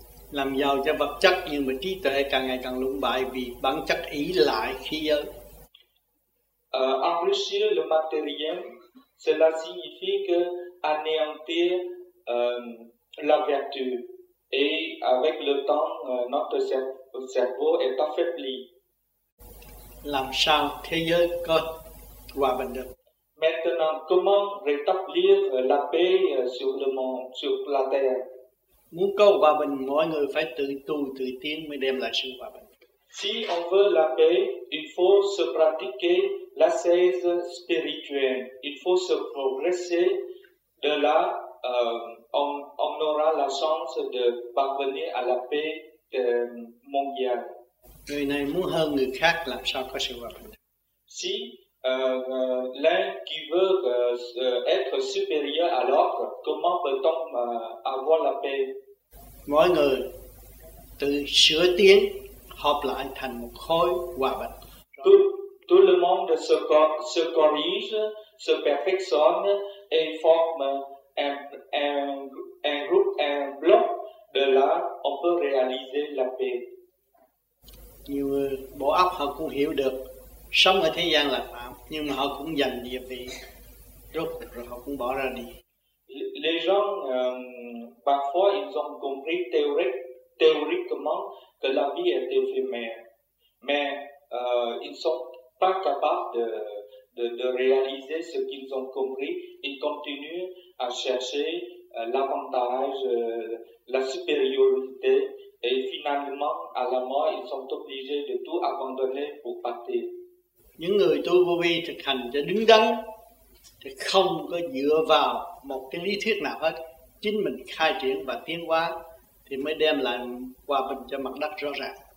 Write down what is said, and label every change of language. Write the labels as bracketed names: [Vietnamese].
[Vietnamese] Làm giàu cho vật chất nhưng mà trí tuệ càng ngày càng lụng bại vì bản chất ý lại khí giới. [French] Enrichir le matériel, cela signifie que anéantir la vertu. Et avec le temps, notre cerveau est affaibli. [Vietnamese] Làm sao thế giới có hòa bình được? [French] Maintenant, comment rétablir la paix sur le monde, sur la terre? [Vietnamese] Muốn có hòa bình, mọi người phải tự tu, tự tiến mới đem lại sự hòa bình. [French] Si on veut la paix, il faut se pratiquer l'ascèse spirituelle. Il faut se progresser. De là, on aura la chance de parvenir à la paix mondiale. [Vietnamese] Người này muốn hơn người khác làm sao có sự hòa bình? [French] Si l'un qui veut être supérieur à l'autre, comment peut-on avoir la paix? [Vietnamese] Mọi người tự sửa tiến, hợp lại thành một khối hòa bình. [French] Tout le monde se corrige, se perfectionne et forme un groupe, un bloc. De là, on peut réaliser la paix. [Vietnamese] Nhiều người bộ óc họ cũng hiểu được sống ở thế gian là phạm, nhưng mà họ cũng dành địa vị rút rồi họ cũng bỏ ra đi. [French] Les gens parfois ils ont compris théoriquement que la vie est éphémère, mais ils sont pas capables de réaliser ce qu'ils ont compris. Ils continuent à chercher l'avantage, la supériorité. Et finalement, à la mort, ils sont obligés de tout abandonner pour partir. [Vietnamese] Những người tu vô vi thực hành cho đứng đắn, thì không có dựa vào một cái lý thuyết nào hết. Chính mình khai triển và tiến hóa thì mới đem lại hòa bình cho mặt đất rõ ràng.